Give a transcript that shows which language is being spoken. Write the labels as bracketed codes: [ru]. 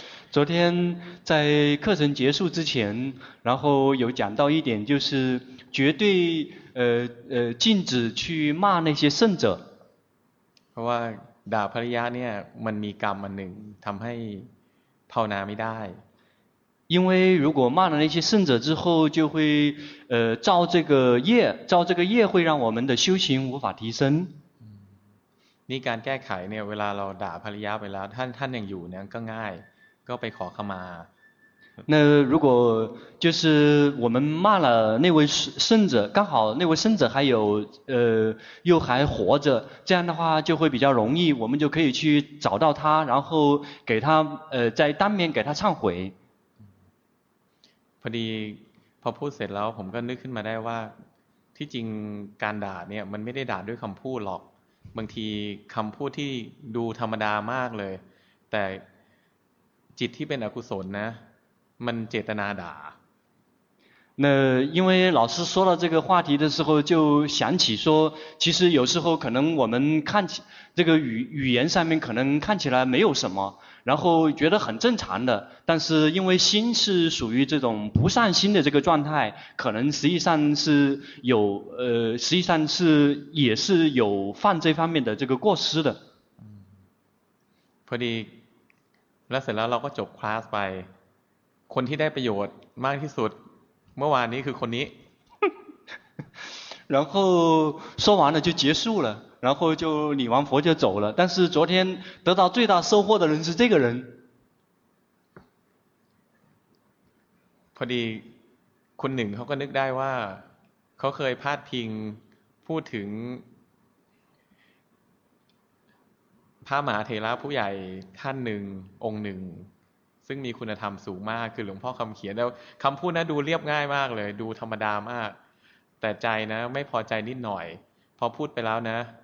[zh] 昨天在课程结束之前然后有讲到一点就是绝对禁止去骂那些圣者 [th] เพราะว่าด่าภริยาเนี่ยมันมีกรรมอันหนึ่งทำให้ภาวนาไม่ได้ [zh] 因为如果骂了那些圣者之后就会造这个业会让我们的修行无法提升 [th] นี่การแก้ไขเนี่ยเวลาเราด่าภริยาไปแล้วท่านยังอยู่เนี่ยก็ง่ายก็ไปขอขมา [zh] 那如果就是我们骂了那位圣者刚好那位圣者还有又还活着这样的话就会比较容易我们就可以去找到他然后给他在当面给他忏悔 [th] พอดีพอพูดเสร็จแล้วผมก็นึกขึ้นมาได้ว่าที่จริงการด่าเนี่ยมันไม่ได้ด่าด้วยคำพูดหรอกบางทีคำพูดที่ดูธรรมดามากเลยแต่จิตที่เป็นอกุศลนะมันเจตนาด่า [zh] 那因为老师说到这个话题的时候就想起说其实有时候可能我们看起这个语言上面可能看起来没有什么然后觉得很正常的但是因为心是属于这种不善心的这个状态可能实际上是有实际上是也是有犯这方面的这个过失的 [th] พอดีแล้วเสร็จแล้วเราก็จบคลาสไปคนที่ได้ประโยชน์มากที่สุดเมื่อวานนี้คือคนนี้ [zh] 然后说完了就结束了，然后就礼完佛就走了。但是昨天得到最大收获的人是这个人。 [th] พอดีคนหนึ่งเขาก็นึกได้ว่าเขาเคยพาดพิงพูดถึงพระมหาเถระผู้ใหญ่ท่านหนึ่งองค์หนึ่งซึ่งมีคุณธรรมสูงมากคือหลวงพ่อคำเขียนแล้วคำพูดนะดูเรียบง่ายมากเลยดูธรรมดามากแต่ใจนะไม่พอใจนิดหน่อยพอพูดไปแล้วนะ